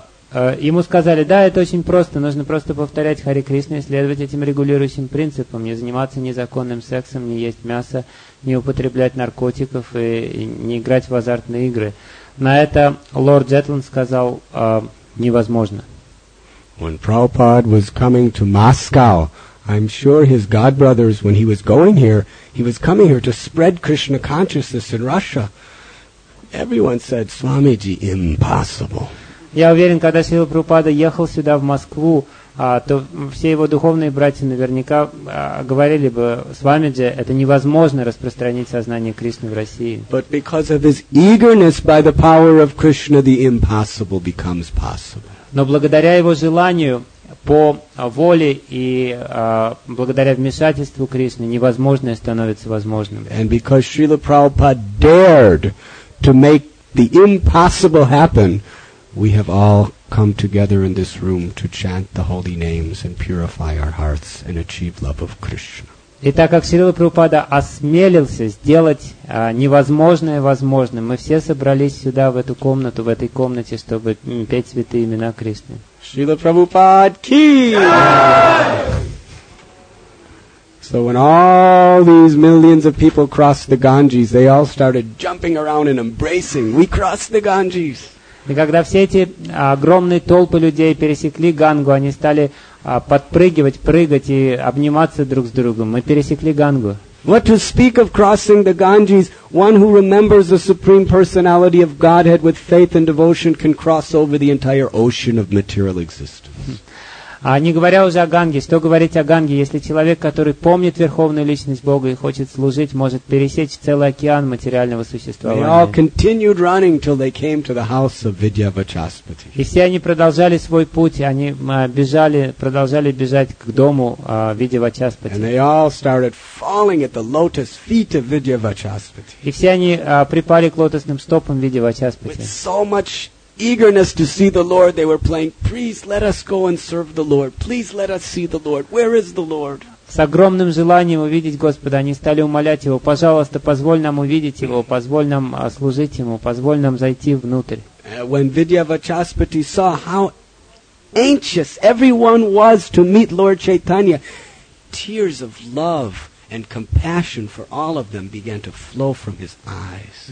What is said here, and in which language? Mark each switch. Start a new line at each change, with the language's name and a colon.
Russian: Ему сказали, да, это очень просто, нужно просто повторять Харе Кришну и следовать этим регулирующим принципам, не заниматься незаконным сексом, не есть мясо, не употреблять наркотиков и не играть в азартные игры. На это лорд Джетлан сказал, невозможно.
English: When Prabhupada was coming to Moscow, I'm sure his godbrothers, when he was going here, he was coming here to spread Krishna consciousness in Russia. Everyone said, Swamiji, impossible.
Russian: Я уверен, когда Шрила Прабхупада ехал сюда, в Москву, то все его духовные братья наверняка говорили бы, Свамиджи, это невозможно распространить сознание Кришны в России.
English: But because of his eagerness by the power of Krishna, the impossible becomes possible.
Russian: Но благодаря его желанию, по воле и благодаря вмешательству Кришны, невозможное становится возможным.
English: And because Srila Prabhupada dared to make the impossible happen, we have all come together in this room to chant the holy names and purify our hearts and achieve love of Krishna.
Russian: И так как Шрила Прабхупада осмелился сделать невозможное возможным, мы все собрались сюда, в эту комнату, в этой комнате, чтобы петь святые имена Кришны. Шрила Прабхупада ки!
English: So when all these millions of people crossed the Ganges, they all started jumping around and embracing, we crossed the Ganges.
Russian: И когда все эти огромные толпы людей пересекли Гангу, они стали подпрыгивать, прыгать и обниматься друг с другом. Мы пересекли Гангу.
English: What to speak of crossing the Ganges? One who remembers the Supreme Personality of Godhead with faith and devotion can cross over the entire ocean of material existence.
Russian: Не говоря уже о Ганге, что говорить о Ганге, если человек, который помнит Верховную Личность Бога и хочет служить, может пересечь целый океан материального существования.
English: They all continued running till they came to the house of Vidya Vachaspati.
Russian: И все они продолжали свой путь, они бежали, продолжали бежать к дому Vidya Vachaspati.
English: And they all started falling at the lotus feet of Vidya Vachaspati.
Russian: И все они припали к лотосным стопам Vidya Vachaspati.
English: With so much eagerness to see the Lord, they were praying, "Please let us go and serve the Lord. Please let us see the Lord. Where is the Lord?"
Russian: С огромным желанием увидеть Господа, они стали умолять Его, пожалуйста, позволь нам увидеть Его, позволь нам служить Ему, позволь нам зайти внутрь.
English: When Vidya Vachaspati saw how anxious everyone was to meet Lord Chaitanya, tears of love and compassion for all of them began to flow from his eyes.